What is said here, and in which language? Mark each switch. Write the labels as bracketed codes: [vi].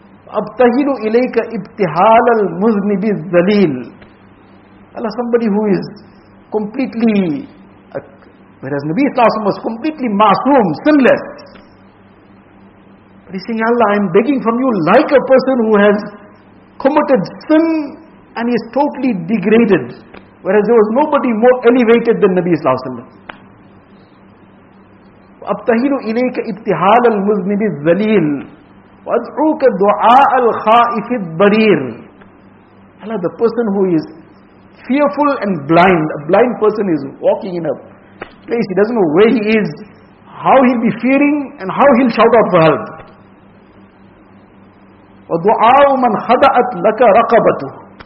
[ar] أَبْتَهِلُ إِلَيْكَ إِبْتِحَالَ الْمُذْنِبِ الزَّلِيلِ [en] Allah, somebody who is completely, whereas Nabi Sallallahu was completely masoom, sinless. But he's saying, Allah, I'm begging from you like a person who has committed sin and he is totally degraded. Whereas there was nobody more elevated than Nabi Sallallahu Alaihi Wasallam. [ar] أبتهل إليك ابتهال المذنب الذليل وأدعوك دعاء الخائف الضرير. [en] Allah, the person who is fearful and blind, a blind person is walking in a place, he doesn't know where he is, how he'll be fearing and how he'll shout out for help. [ar] ودعاء من خدعت لك رقبته.